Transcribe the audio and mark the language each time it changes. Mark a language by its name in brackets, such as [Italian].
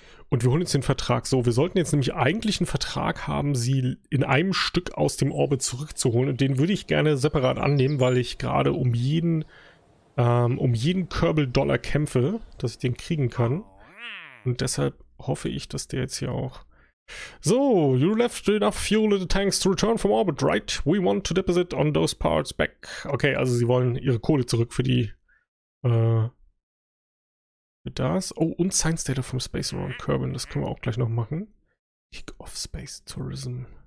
[German] Und wir holen jetzt den Vertrag so. Wir sollten jetzt nämlich eigentlich einen Vertrag haben, sie in einem Stück aus dem Orbit zurückzuholen. Und den würde ich gerne separat annehmen, weil ich gerade um jeden Körbel-Dollar kämpfe, dass ich den kriegen kann. Und deshalb hoffe ich, dass der jetzt hier auch... [English] So, you left enough fuel in the tanks to return from orbit, right? We want to deposit on those parts back. [German] Okay, also sie wollen ihre Kohle zurück für die... Das. Oh, und Science Data vom Space Around Kerbin. Das können wir auch gleich noch machen. [English] Kick off Space Tourism.